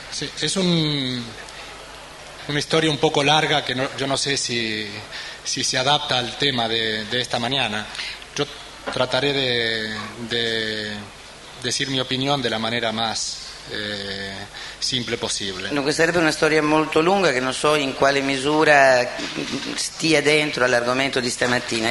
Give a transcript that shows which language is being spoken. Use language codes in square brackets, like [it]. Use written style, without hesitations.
[it] Sì, è una storia un poco larga che io non so se si adatta al tema di questa mattina. Io trattare [es] di decir mi opinión de la manera más simple posible. [it] Dunque sarebbe una storia molto lunga che non so in quale misura stia dentro all'argomento di stamattina.